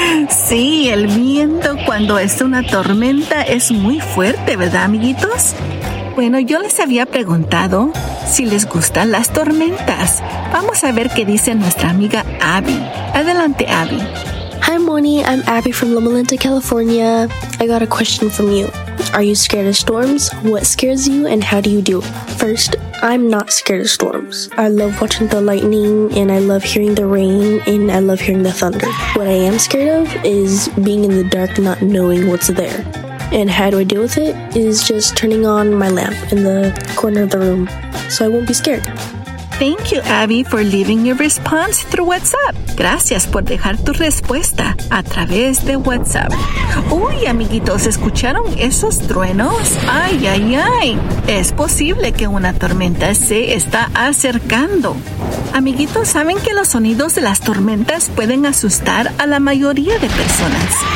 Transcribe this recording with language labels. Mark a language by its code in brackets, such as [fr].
[es] Sí, el viento cuando es una tormenta es muy fuerte, ¿verdad, amiguitos? Bueno, yo les había preguntado si les gustan las tormentas. Vamos a ver qué dice nuestra amiga Abby. Adelante, Abby. [en] Hi, Moni. I'm Abby from Loma Linda, California. I got a question from you. Are you scared of storms? What scares you and how do you deal? First, I'm not scared of storms. I love watching the lightning and I love hearing the rain and I love hearing the thunder. What I am scared of is being in the dark, not knowing what's there. And how do I deal with it? Is just turning on my lamp in the corner of the room so I won't be scared. Thank you, Abby, for leaving your response through WhatsApp. [es] Gracias por dejar tu respuesta a través de WhatsApp. Uy, amiguitos, ¿escucharon esos truenos? Ay, ay, ay. Es posible que una tormenta se está acercando. Amiguitos, ¿saben que los sonidos de las tormentas pueden asustar a la mayoría de personas?